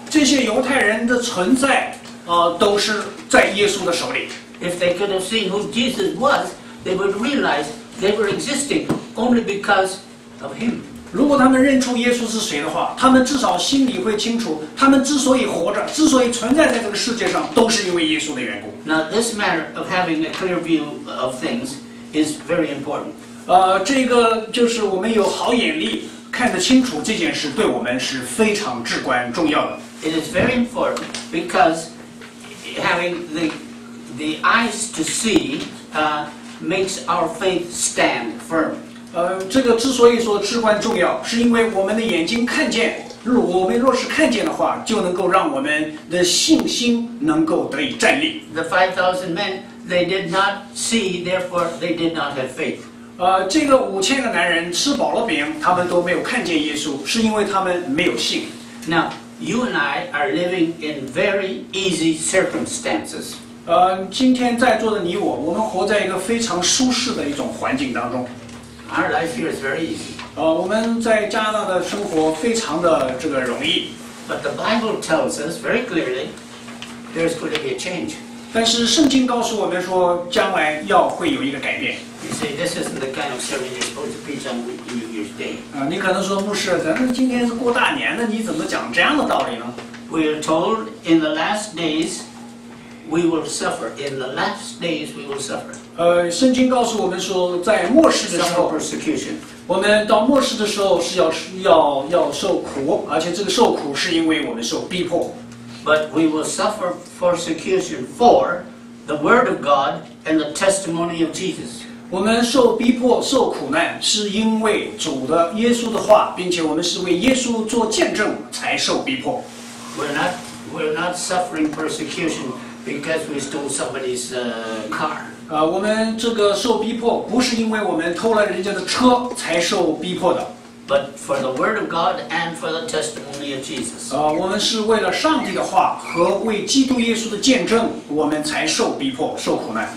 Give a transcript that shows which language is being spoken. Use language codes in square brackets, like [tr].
[zh] 这些犹太人的存在都是在耶稣的手里。 [en] If they could have seen who Jesus was, they would realize they were existing only because of him. [zh] 如果他们认出耶稣是谁的话，他们至少心里会清楚，他们之所以活着，之所以存在在这个世界上，都是因为耶稣的缘故。 [en] Now this matter of having a clear view of things is very important. [zh] 这个就是我们有好眼力看得清楚这件事，对我们是非常至关重要的。 [en] It is very important because having the eyes to see makes our faith stand firm. [zh] 这个之所以说至关重要，是因为我们的眼睛看见，我们若是看见的话，就能够让我们的信心能够得以站立。 [en] The 5,000 men, they did not see, therefore they did not have faith. [zh] 这个五千个男人吃饱了饼，他们都没有看见耶稣，是因为他们没有信。 [en] Now, you and I are living in very easy circumstances. [zh] 今天在座的你我，我们活在一个非常舒适的一种环境当中。 [en] Our life here is very easy. [zh] 我们在加拿大的生活非常的这个容易。 [en] But the Bible tells us very clearly there's going to be a change. [zh] 但是圣经告诉我们说，将来要会有一个改变。 [en] You say this isn't the kind of sermon you're supposed to preach on New Year's Day. [zh] 你可能说牧师，咱们今天是过大年的，你怎么讲这样的道理呢 [en] ？We are told in the last days. We will suffer in the last days. We will suffer. [zh] 圣经告诉我们说，在末世的时候 [en] ，persecution. [zh] 我们到末世的时候是要受苦，而且这个受苦是因为我们受逼迫。 [en] But we will suffer persecution for the word of God and the testimony of Jesus. [zh] 我们受逼迫、受苦难，是因为主的耶稣的话，并且我们是为耶稣做见证才受逼迫。 [en] We're not suffering persecution. Because we stole somebody's car. [zh] 我们这个受逼迫不是因为我们偷了人家的车才受逼迫的。 [en] But for the word of God and for the testimony of Jesus. [zh] 我们是为了上帝的话和为基督耶稣的见证，我们才受逼迫、受苦难。